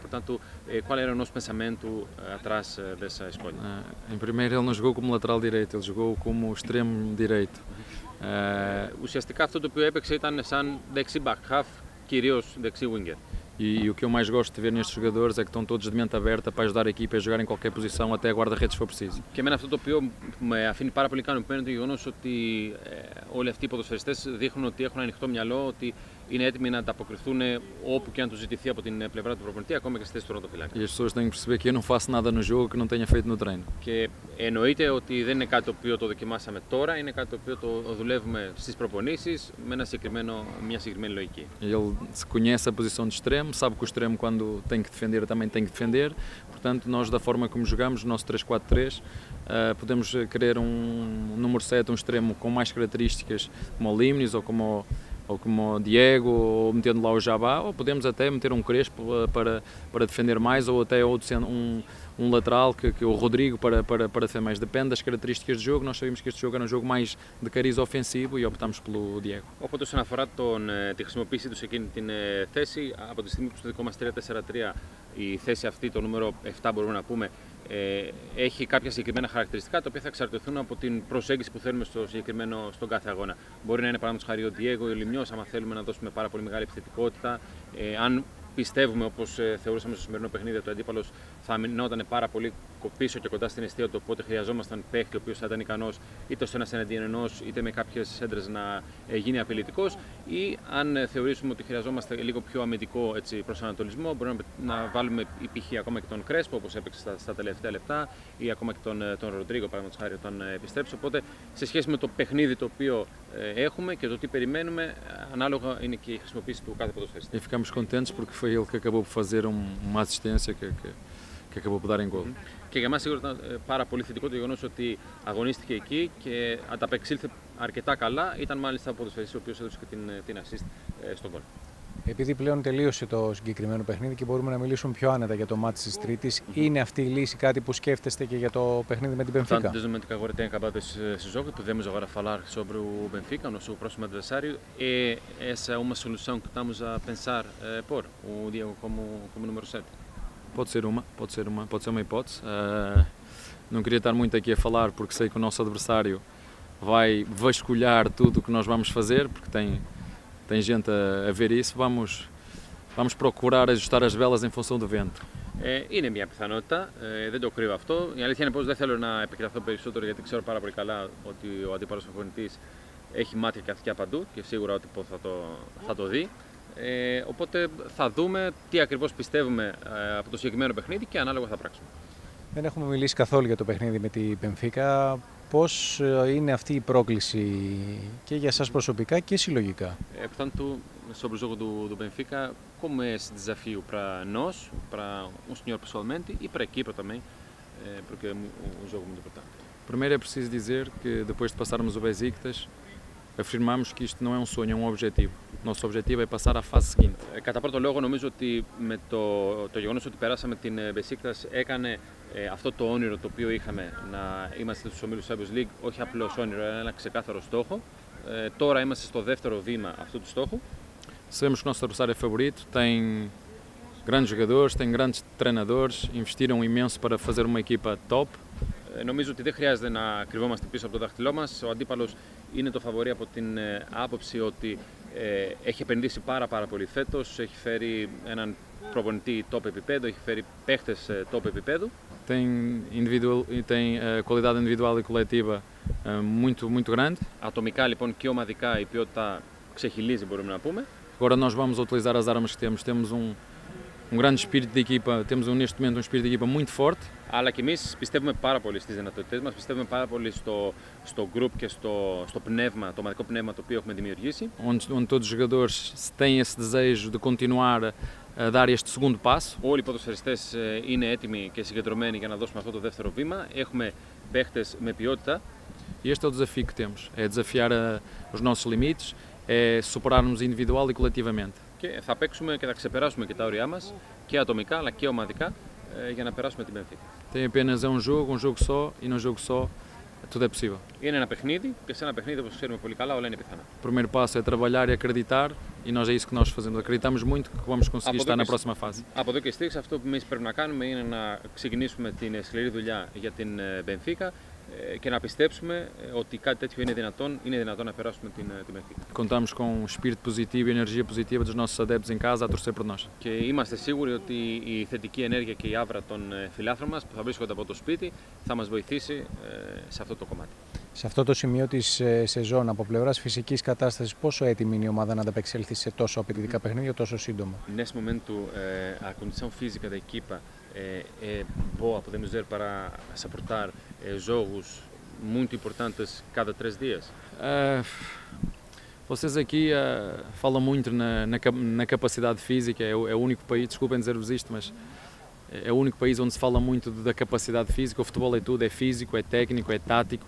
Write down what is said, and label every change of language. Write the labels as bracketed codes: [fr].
[pt] Portanto, qual era o nosso pensamento atrás dessa escolha? Em primeiro, ele não jogou como lateral direito, ele jogou como extremo direito. [el] Ουσιαστικά αυτό το οποίο έπαιξε ήταν σαν δεξί back half, κυρίως δεξί winger. [pt] E o que eu mais gosto de ver nestes jogadores é que estão todos de mente aberta para ajudar a equipa a jogar em qualquer posição, até a guarda-redes for preciso. [el] Και εμένα αυτό το οποίο με αφήνει πάρα πολύ ικανοποιημένο είναι το γεγονός ότι όλοι αυτοί οι ποδοσφαιριστές δείχνουν ότι έχουν ανοιχτό μυαλό, ότι είναι έτοιμοι να ανταποκριθούν όπου και αν τους ζητηθεί από την πλευρά του προπονητή, ακόμα και στη θέση του ρωτοφυλάκα. [pt] E as pessoas têm que perceber que eu não faço nada no jogo que não tenha feito no treino. [el] Και εννοείται ότι δεν είναι κάτι το οποίο το δοκιμάσαμε τώρα, είναι κάτι το οποίο το δουλεύουμε στις προπονήσεις με μια συγκεκριμένη λογική. [pt] Ele conhece a posição de extremo. Sabe que o extremo, quando tem que defender, também tem que defender. Portanto, nós, da forma como jogamos, nosso 3-4-3, podemos querer um número 7, um extremo com mais características, como o Limnes ou como o Diego, ou metendo lá o Jabá, ou podemos até meter um Crespo para defender mais, ou até outro sendo um lateral, que o Rodrigo, para defender mais. Depende das características do jogo. Nós sabemos que este jogo era um jogo mais de cariz ofensivo e optámos pelo Diego. [el] Οπότε, όσον αφορά τη χρησιμοποίησή του σε εκείνη την θέση, από τη στιγμή που στο δικό μας 3-4-3 η θέση αυτή, το νούμερο 7 μπορούμε να πούμε, έχει κάποια συγκεκριμένα χαρακτηριστικά τα οποία θα εξαρτηθούν από την προσέγγιση που θέλουμε στον κάθε αγώνα. Μπορεί να είναι παράδειγμα χάρη ο Diego ή ο Λιμιός, άμα θέλουμε να δώσουμε πάρα πολύ μεγάλη επιθετικότητα. Αν πιστεύουμε, όπως θεωρούσαμε στο σημερινό παιχνίδι, ότι ο αντίπαλος θα αμυνόταν πάρα πολύ πίσω και κοντά στην εστία του, οπότε χρειαζόμασταν παίχτη ο οποίος θα ήταν ικανός είτε στο ένας εναντίον ενός, είτε με κάποιες σέντρες να γίνει απειλητικός. Ή αν θεωρήσουμε ότι χρειαζόμαστε λίγο πιο αμυντικό προσανατολισμό, μπορούμε να βάλουμε π.χ. ακόμα και τον Κρέσπο, όπως έπαιξε στα τελευταία λεπτά, ή ακόμα και τον Ροντρίγκο, παραδείγματος χάρη, όταν επιστρέψει. Οπότε, σε σχέση με το παιχνίδι το οποίο έχουμε και το τι περιμένουμε, ανάλογα είναι και η χρησιμοποίηση του κάθε ποδοσφαιριστή. [pt] Ficamos contentes porque foi ele que acabou por fazer uma assistência que acabou por dar em gol. [el] Και για μας σίγουρα ήταν πάρα πολύ θετικό το γεγονός ότι αγωνίστηκε εκεί και ανταπεξήλθε αρκετά καλά. Ήταν μάλιστα ο ποδοσφαιριστής ο οποίος έδωσε και την assist στον γκολ. Επειδή πλέον τελείωσε το συγκεκριμένο παιχνίδι και μπορούμε να μιλήσουμε πιο άνετα για το μάτς της Τρίτης, είναι αυτή η λύση κάτι που σκέφτεστε και για το παιχνίδι με την Μπενφίκα? Αυτό είναι το μεγάλο ρόλο που έχει στο παιχνίδι. [pt] Podemos agora falar sobre o Benfica, o nosso próximo adversário. E essa é uma solução que estamos a pensar pôr, o Diego como número 7. Pode ser uma hipótese. Não queria estar muito aqui a falar, porque sei que o nosso adversário vai vasculhar tudo o que nós vamos fazer, porque tem gente a ver isso. Vamos procurar ajustar as velas em função do vento. [el] Είναι μια πιθανότητα, δεν το κρύβω αυτό. Η αλήθεια είναι πως δεν θέλω να επικραθώ περισσότερο, γιατί ξέρω πάρα πολύ καλά ότι ο αντίπαλος προπονητής έχει μάτια και αυτιά παντού και σίγουρα ο τύπος θα το δει. Οπότε θα δούμε τι ακριβώς πιστεύουμε από το συγκεκριμένο παιχνίδι και ανάλογα θα πράξουμε. Δεν έχουμε μιλήσει καθόλου για το παιχνίδι με την Μπενφίκα. Πώς είναι αυτή η πρόκληση και για εσάς προσωπικά και συλλογικά? [pt] Portanto, sobre o jogo do Benfica, como é esse desafio para nós, para o senhor pessoalmente e para a equipa também, porque é um jogo muito importante? Primeiro é preciso dizer que depois de passarmos o Besiktas, afirmamos que isto não é um sonho, é um objetivo. Nosso objetivo é passar à fase seguinte. [el] Κατά πρώτο λόγο, νομίζω ότι με το γεγονός ότι περάσαμε την Besiktas έκανε αυτό το όνειρο το οποίο είχαμε να είμαστε στους ομίλους Champions League, όχι απλώς όνειρο, αλλά ένα ξεκάθαρο στόχο. Τώρα είμαστε στο δεύτερο βήμα αυτού του στόχου. [pt] Sabemos que o nosso adversário é favorito, tem grandes jogadores, tem grandes treinadores, investiram imenso para fazer uma equipa top. [el] Νομίζω ότι δεν χρειάζεται να κρυβόμαστε πίσω από το δάχτυλό μας. Ο αντίπαλος είναι το φαβορί από την άποψη ότι έχει επενδύσει πάρα πολύ φέτος, έχει φέρει έναν προπονητή top επίπεδο, έχει φέρει παίχτες top επίπεδου. [pt] Tem qualidade individual e coletiva muito, muito grande. [el] Ατομικά λοιπόν και ομαδικά η ποιότητα ξεχυλίζει, μπορούμε να πούμε. [pt] Agora nós vamos utilizar as armas que temos. Temos um grande espírito de equipa, temos neste momento um espírito de equipa muito forte. [el] Αλλά και εμείς πιστεύουμε πάρα πολύ στις δυνατότητές μας, πιστεύουμε πάρα πολύ στο group και στο πνεύμα, το ομαδικό πνεύμα το οποίο έχουμε δημιουργήσει. [pt] Onde todos os jogadores têm esse desejo de continuar a dar este segundo passo. [el] Όλοι οι ποδοσφαιριστές είναι έτοιμοι και συγκεντρωμένοι για να δώσουμε αυτό το δεύτερο βήμα. Έχουμε παίχτες με ποιότητα. [pt] Este é o desafio que temos, é desafiar os nossos limites. É superarmos individual e coletivamente. [el] Και θα παίξουμε και θα ξεπεράσουμε και τα όρια μας και ατομικά αλλά και ομαδικά για να περάσουμε την Benfica. [pt] Tem apenas um jogo só, tudo é possível. [el] Είναι ένα παιχνίδι και σε ένα παιχνίδι, όπως ξέρουμε πολύ καλά, όλα είναι πιθανά. [pt] O primeiro passo é trabalhar e acreditar e nós é isso que nós fazemos. Acreditamos muito que vamos conseguir estar na próxima fase. [el] Από εδώ και στήριξη, αυτό που εμείς πρέπει να κάνουμε είναι να ξεκινήσουμε την σκληρή δουλειά για την Benfica. Και να πιστέψουμε ότι κάτι τέτοιο είναι δυνατόν να περάσουμε την Benfica. [pt] Contamos com um espírito positivo e energia positiva dos nossos adeptos em casa a torcer por nós. [el] Και είμαστε σίγουροι ότι η θετική ενέργεια και η άβρα των φιλάθρων μας που θα βρίσκονται από το σπίτι θα μας βοηθήσει σε αυτό το κομμάτι. Σε αυτό το σημείο της σεζόν, από πλευράς φυσικής κατάστασης, πόσο έτοιμη είναι η ομάδα να ανταπεξέλθει σε τόσο απαιτητικά παιχνίδια τόσο σύντομα? [pt] Nesse momento, a condição física da equipa é boa, podemos dizer, para suportar jogos muito importantes cada três dias? Vocês aqui falam muito na capacidade física, é o único país, desculpem dizer-vos isto, mas é o único país onde se fala muito da capacidade física. O futebol é tudo, é físico, é técnico, é tático.